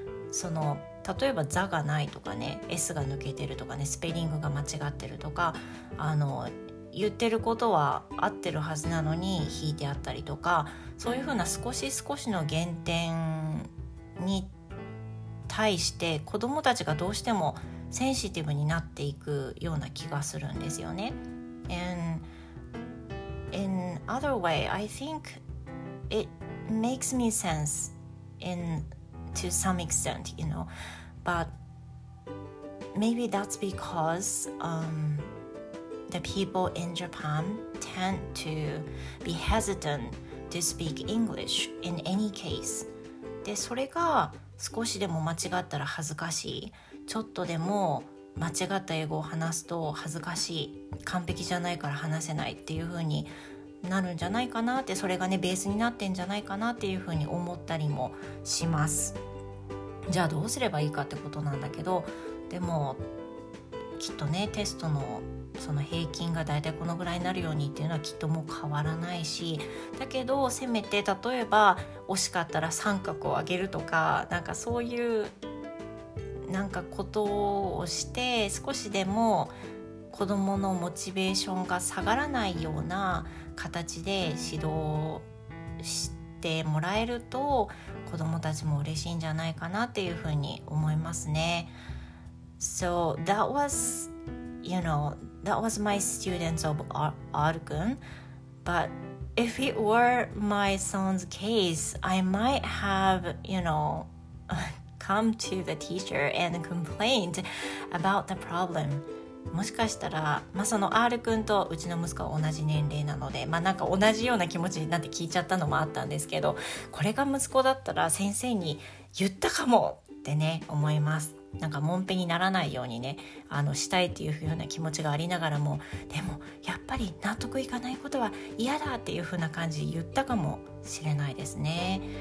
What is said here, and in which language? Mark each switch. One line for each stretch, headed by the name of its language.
Japanese: その例えば座がないとかね、 S が抜けてるとかね、スペリングが間違ってるとか、あの言ってることは合ってるはずなのに引いてあったりとか、そういうふうな少し少しの減点に対して子どもたちがどうしてもセンシティブになっていくような気がするんですよね。
English: And in other way, I think it makes me sense in to some extent, you know, but maybe that's because the people in Japan tend to be hesitant to speak English in any case.
Japanese: で、それが少しでも間違ったら恥ずかしい、ちょっとでも間違った英語を話すと恥ずかしい、完璧じゃないから話せないっていう風になるんじゃないかなって、それがねベースになってんじゃないかなっていう風に思ったりもします。じゃあどうすればいいかってことなんだけど、でもきっとね、テストのその平均がだいたいこのぐらいになるようにっていうのはきっともう変わらないし、だけどせめて例えば惜しかったら三角をあげるとか、なんかそういうなんかことをして、少しでも子どものモチベーションが下がらないような形で指導してもらえると子どもたちも嬉しいんじゃないかなっていうふうに思いますね。
English: So that was, you know, that was my students of Argun. But if it were my son's case, I might have, you know, come to the teacher and complained about the problem.
Japanese: もしかしたら、まあ、その R 君とうちの息子は同じ年齢なので、まあ、なんか同じような気持ちになって聞いちゃったのもあったんですけど、これが息子だったら先生に言ったかもってね思います。なんかモンペにならないようにね、あのしたいっていうふうな気持ちがありながらも、でもやっぱり納得いかないことは嫌だっていうふうな感じで言ったかもしれないですね。